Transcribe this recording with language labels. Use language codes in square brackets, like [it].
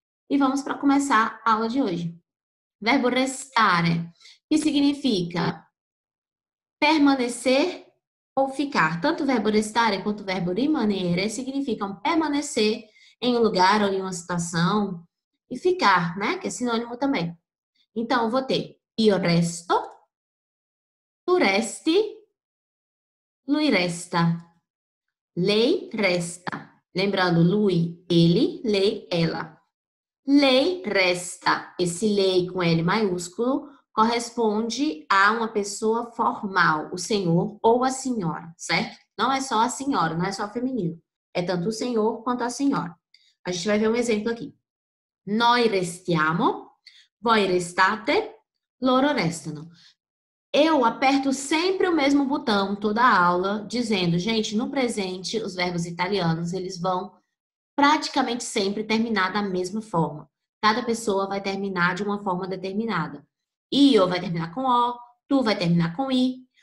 [pt] E vamos para começar a aula de hoje. Verbo restare, que significa permanecer ou ficar. Tanto o verbo restare quanto o verbo rimanere significam permanecer em um lugar ou em uma situação e ficar, né? Que é sinônimo também. Então, eu vou ter. [it] Io resto, tu resti, lui resta, lei resta. [pt] Lembrando, lui, ele, lei, ela. [it] Lei resta. [pt] Esse lei com L maiúsculo corresponde a uma pessoa formal, o senhor ou a senhora, certo? Não é só a senhora, não é só o feminino. É tanto o senhor quanto a senhora. A gente vai ver um exemplo aqui. [it] Noi restiamo, voi restate. Loro restano. [pt] Eu aperto sempre o mesmo botão toda a aula, dizendo, gente, no presente, os verbos italianos, eles vão praticamente sempre terminar da mesma forma. Cada pessoa vai terminar de uma forma determinada. Io vai terminar com O, tu vai terminar com I.